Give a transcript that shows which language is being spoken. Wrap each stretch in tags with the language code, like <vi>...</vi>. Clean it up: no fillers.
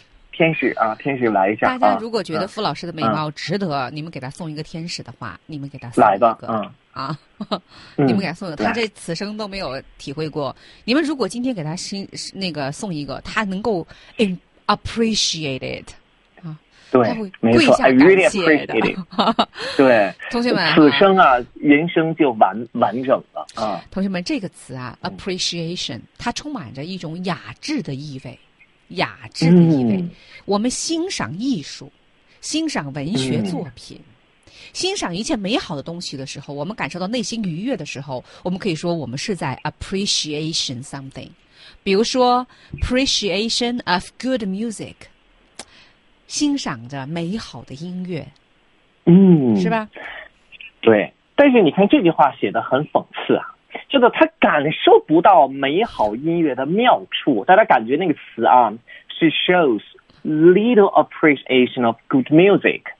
<zh>天使啊，天使来一下！大家如果觉得傅老师的美貌值得，你们给他送一个天使的话，你们给他来吧，啊，你们给他送的，他这此生都没有体会过。你们如果今天给他那个送一个，他能够</zh> <en>appreciate it。</en> <zh>对，没错 ，</zh> <en>I really appreciate it。</en> <zh>对，同学们，此生啊，人生就完整了啊。同学们，这个词啊 ，appreciation，它充满着一种雅致的意味，雅致的意味。我们欣赏艺术，欣赏文学作品，欣赏一切美好的东西的时候，我们感受到内心愉悦的时候，我们可以说我们是在</zh> <en>appreciation something。</en> <zh>比如说</zh> <en>appreciation of good music。</en> <zh>欣赏着美好的音乐，是吧？对，但是你看这句话写得很讽刺啊，这个他感受不到美好音乐的妙处，大家感觉那个词啊 ，</zh> <en>she shows little appreciation of good music。</en>